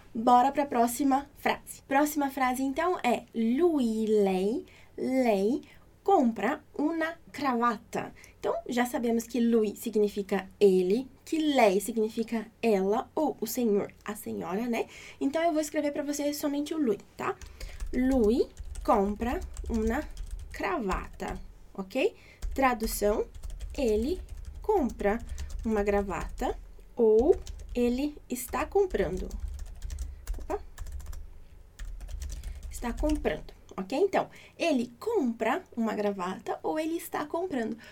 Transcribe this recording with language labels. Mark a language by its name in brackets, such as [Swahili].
[Portuguese] Bora para a próxima frase. Próxima frase então é: [Italian] Lui, lei, compra una cravata. [Portuguese] Então, já sabemos que lui significa ele, que lei significa ela ou o senhor, a senhora, né? Então, eu vou escrever para você somente o lui, tá? [Italian] Lui compra una cravata, ok? [Portuguese] Tradução: ele compra uma gravata ou ele está comprando. Opa! Está comprando. Ok? Então, ele compra uma gravata ou ele está comprando.